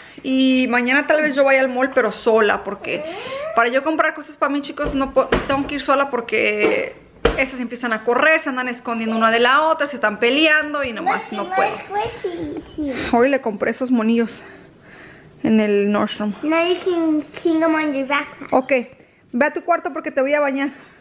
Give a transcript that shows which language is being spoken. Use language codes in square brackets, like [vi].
[es] Y mañana tal vez yo vaya al mall, pero sola. Porque para yo comprar cosas para mí, chicos, no tengo que ir sola porque... Estas empiezan a correr, se andan escondiendo una de la otra, se están peleando y nomás no puedo. Hoy le compré esos monillos en el Nordstrom. [en] Now you can king them on your backpack. [es] Ok, ve a tu cuarto porque te voy a bañar.